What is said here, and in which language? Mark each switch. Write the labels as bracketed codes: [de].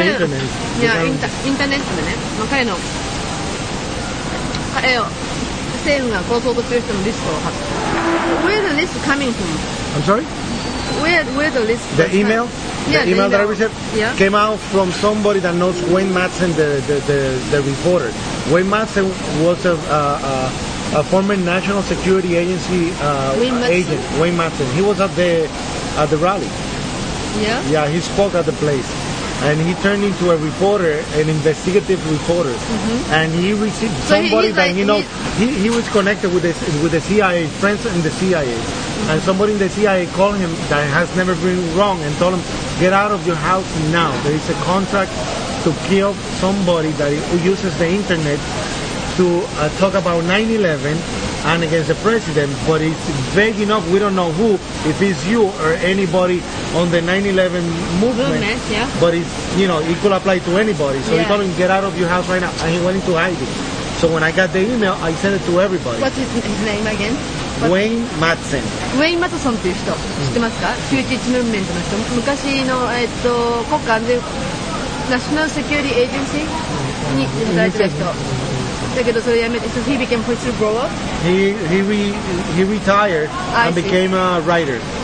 [ja] いやインターネットでね、まあ、彼を政府が殺そうとしている人のリストを発表。 [en] Where the list coming from? I'm sorry? Where the list? The email? Yeah, the email that I received came out from somebody that knows Wayne Mattson, the reporter. Wayne Mattson was a former National Security Agency agent. Wayne Mattson. He was at the rally. Yeah? Yeah, he spoke at the place. And he turned into a reporter, an investigative reporter. Mm-hmm. And he received somebody so he, like, that he knows. He was connected with the CIA, friends in the CIA. And somebody in the CIA called him that has never been wrong and told him, get out of your house now. There is a contract to kill somebody that uses the internet to talk about 9/11 and against the president. But it's vague enough. We don't know who, if it's you or anybody on the 9/11 movement. But it's, you know, it could apply to anybody. So he told him, get out of your house right now. And he went into hiding. So when I got the email, I sent it to everybody. What's his name again? Wayne Mattson. [ja] Wayne Mattson という人、知ってますか？ 911ムーブメントの人、昔の国家安全、ナショナルセキュリティエージェンシーに働いてた人。だけどそれやめて、 [en] so he became a whistleblower? He retired and became a writer.